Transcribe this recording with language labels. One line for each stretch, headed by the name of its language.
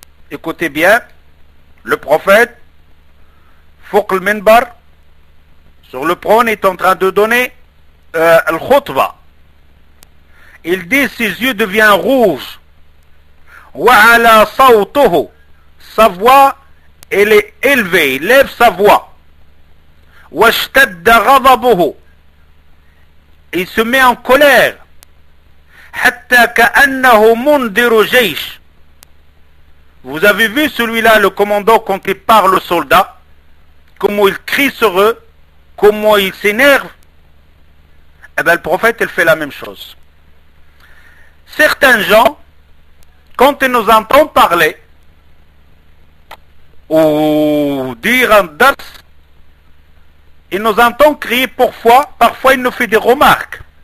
French: Écoutez bien, le prophète
Arabic: فوق المنبر
French: sur le prône est en train de donner le khutba. Il dit ses yeux deviennent rouges
Arabic: وعلى صوته
French: sa voix elle est élevée, il lève sa voix.
Arabic: واشتد غضبه
French: il se met en colère
Arabic: حتى كأنه منذر جيش.
French: Vous avez vu celui-là, le commandant, quand il parle aux soldats, comment il crie sur eux, comment il s'énerve. Eh bien, le prophète, il fait la même chose. Certains gens, quand ils nous entendent parler ou dire un dars, il nous entend crier parfois il nous fait des remarques.